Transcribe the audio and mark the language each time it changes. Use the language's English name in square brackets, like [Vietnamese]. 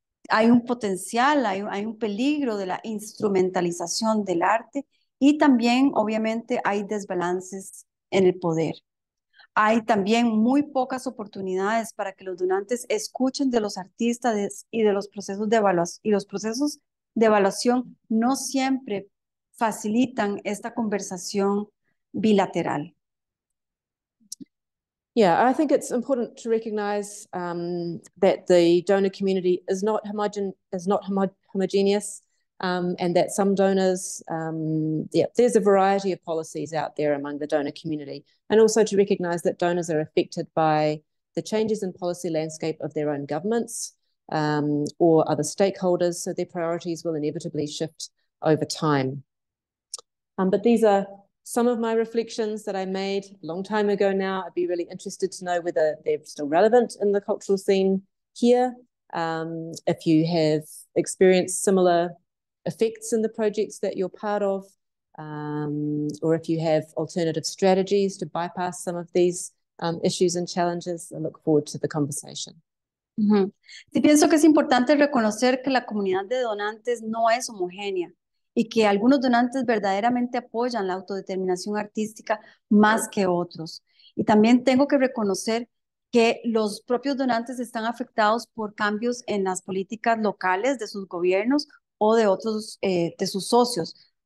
[Spanish] Hay un potencial, hay un peligro de la instrumentalización del arte y también, obviamente, hay desbalances en el poder. Hay también muy pocas oportunidades para que los donantes escuchen de los artistas y de los procesos de evaluación, y los procesos de evaluación no siempre facilitan esta conversación bilateral. [English] Yeah, I think it's important to recognize that the donor community is not homogeneous, and that some donors, there's a variety of policies out there among the donor community, and also to recognize that donors are affected by the changes in policy landscape of their own governments or other stakeholders, so their priorities will inevitably shift over time. But these are some of my reflections that I made a long time ago now. I'd be really interested to know whether they're still relevant in the cultural scene here, if you have experienced similar effects in the projects that you're part of, or if you have alternative strategies to bypass some of these issues and challenges. I look forward to the conversation. Mm-hmm. [Spanish] Sí, pienso que es importante reconocer que la comunidad de donantes no es homogénea y que algunos donantes verdaderamente apoyan la autodeterminación artística más que otros. Y también tengo que reconocer que los propios donantes están afectados por cambios en las políticas locales de sus gobiernos o de otros de sus socios.